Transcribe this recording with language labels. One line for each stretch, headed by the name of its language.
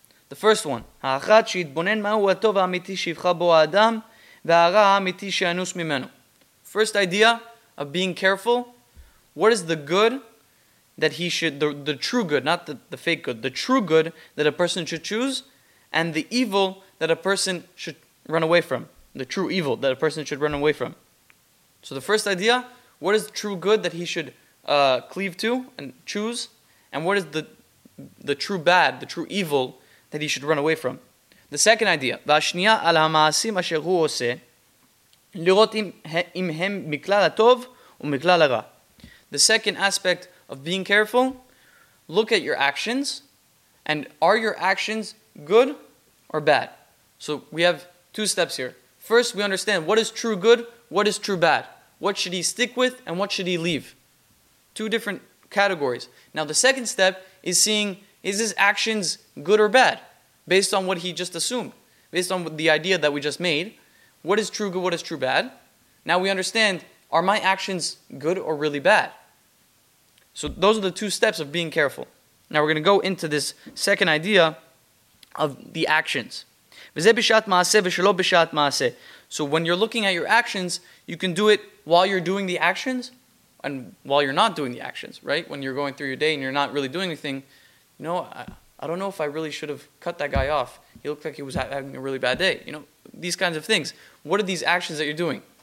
English: The first one, first idea of being careful, what is the good that he should, the true good, not the fake good, the true good that a person should choose, and the evil that a person should run away from, the true evil that a person should run away from. So the first idea, what is the true good that he should cleave to and choose? And what is the true bad, the true evil that he should run away from?
Hebrew: The second idea, והשנייה על המעשים אשר הוא עושה, לראות אם הם מכלל הטוב ומכלל הרע.
English: The second aspect of being careful, look at your actions, and are your actions good or bad? So we have two steps here. First, we understand what is true good, what is true bad. What should he stick with and what should he leave? Two different categories. Now the second step is seeing, is his actions good or bad? Based on what he just assumed. Based on the idea that we just made. What is true good, what is true bad? Now we understand, are my actions good or really bad? So those are the two steps of being careful. Now we're going to go into this second idea of the actions.
Hebrew: וזה בשעת מעשה ושלא בשעת מעשה.
English: So when you're looking at your actions, you can do it while you're doing the actions and while you're not doing the actions, right? When you're going through your day and you're not really doing anything, you know, I don't know if I really should have cut that guy off. He looked like he was having a really bad day. You know, these kinds of things. What are these actions that you're doing?